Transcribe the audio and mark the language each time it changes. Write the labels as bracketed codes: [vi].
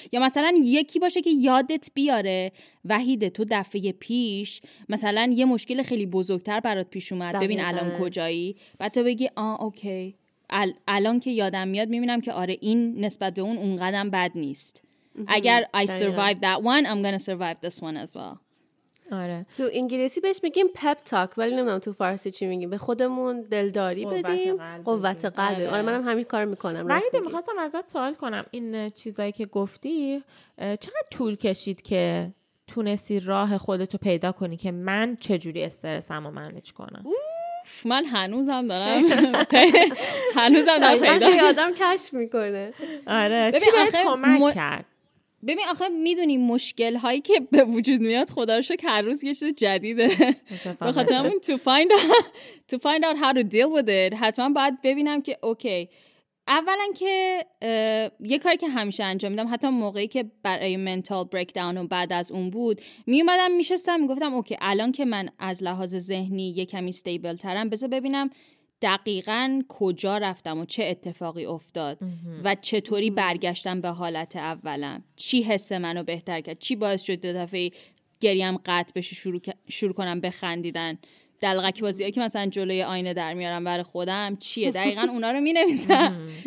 [fa] یا مثلا یکی باشه که یادت بیاره وحید تو دفعه پیش مثلا یه مشکل خیلی بزرگتر برات پیش اومد، ببین الان کجایی، بعد تو بگی آه اوکی الان که یادم میاد میبینم که آره این نسبت به اون اونقدر بد نیست. اگر [en] I survived that one I'm gonna survive this one as well. [fa] آره. تو انگلیسی بهش میگیم پپ تاک، ولی نمیدونم تو فارسی چی میگیم، به خودمون دلداری بدیم، قوت قلب. آره منم همین کارو میکنم. وحید میخواستم ازت سوال کنم، این چیزایی که گفتی چقدر طول کشید که تونستی راه خودتو پیدا کنی که من چجوری استرسمو منیج کنم؟ اوف من هنوزم دارم هنوزم دارم پیدا کنم. آدم کشف میکنه. آره چی بهت کمک کرد؟ ببین آخه میدونی مشکل هایی که به وجود میاد خدا رو شکر هر روز یه چیز جدیده. بخاطر همون [en] to find out how to deal with it [fa] حتما باید ببینم که اوکی. اولا که یه کاری که همیشه انجام میدم، حتی موقعی که برای منتال بریک داون و بعد از اون بود، میومدم میشستم میگفتم اوکی الان که من از لحاظ ذهنی یه کمی استیبل ترم، بذار ببینم دقیقاً کجا رفتم و چه اتفاقی افتاد و چطوری برگشتم به حالت اولم، چی حس منو بهتر کرد، چی باعث شد دفعه گریم قطع بشه شروع کنم به خندیدن، دلغک بازی که مثلا جلوی آینه در میارم برای خودم چیه، دقیقاً اونا رو می‌نویسم.